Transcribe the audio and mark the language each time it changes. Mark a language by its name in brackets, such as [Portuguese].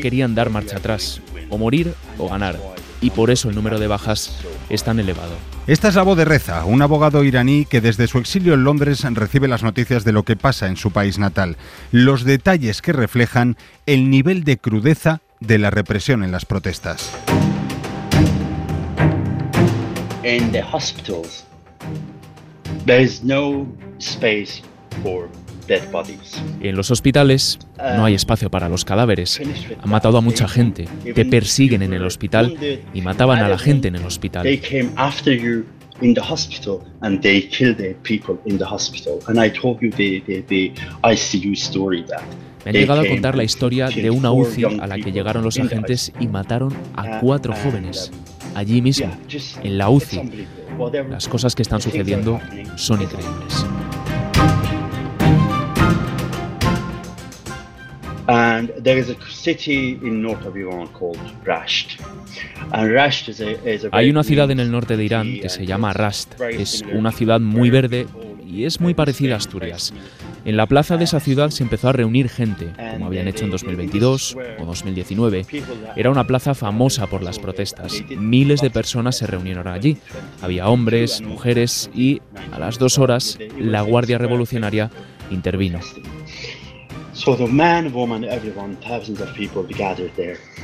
[Spanish] querían dar marcha atrás, o morir o ganar. Y por eso el número de bajas es tan elevado. Esta es la voz de Reza, un abogado iraní que desde su exilio en Londres recibe las noticias de lo que pasa en su país natal. Los detalles que reflejan el nivel de crudeza de la represión en las protestas. [English] In the hospitals, there is no space for dead bodies. [Spanish] En los hospitales no hay espacio para los cadáveres. Han matado a mucha gente. Te persiguen en el hospital y mataban a la gente en el hospital. [English] They came after you in the hospital and they killed the people in the hospital. And I told you the ICU story that. [Spanish] Me han llegado a contar la historia de una UCI a la que llegaron los agentes y mataron a cuatro jóvenes, allí mismo, en la UCI. Las cosas que están sucediendo son increíbles. [English] And there is a city in north of Iran called Rasht. And Rasht is a [Spanish] Hay una ciudad en el norte de Irán que se llama Rasht. Es una ciudad muy verde y es muy parecida a Asturias. En la plaza de esa ciudad se empezó a reunir gente, como habían hecho en 2022 o 2019. Era una plaza famosa por las protestas. Miles de personas se reunieron allí. Había hombres, mujeres y, a las dos horas, la Guardia Revolucionaria intervino. [English] So the man, woman, everyone, thousands of people gathered there.